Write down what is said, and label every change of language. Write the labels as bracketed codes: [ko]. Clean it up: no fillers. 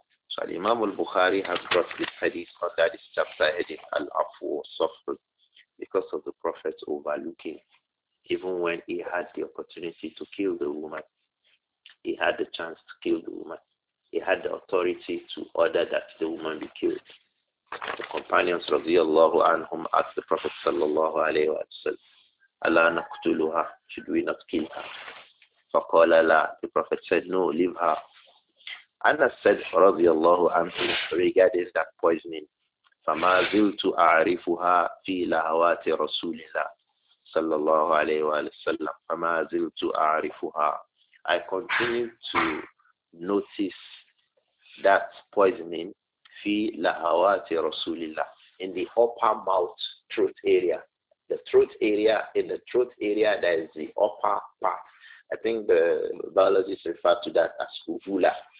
[en] So Imam al-Bukhari has brought this hadith under this chapter heading Al-Afu Suffer, because of the Prophet overlooking, even when he had the opportunity to kill the woman, he had the chance to kill the woman, he had the authority to order that the woman be killed. The companions radiyallahu anhum asked the Prophet sallallahu alayhi wa sallam, Ala naqtuluha, should we not kill her? Faqala la, the Prophet said, no, leave her. Anas said, [ar] radiallahu anhu, [en] regarding that poisoning, [ar] فَمَا زِلْتُ أَعْرِفُهَا فِي لَهَوَاتِ رَسُولِ اللَّهِ صلى الله عليه وآله وسلم. فَمَا زِلْتُ أَعْرِفُهَا. [en] I continue to notice that poisoning [ar] في لهوات رسول الله, [en] in the upper mouth throat area. The throat area, in the throat area, that is the upper part. I think the biologists refer to that as uvula.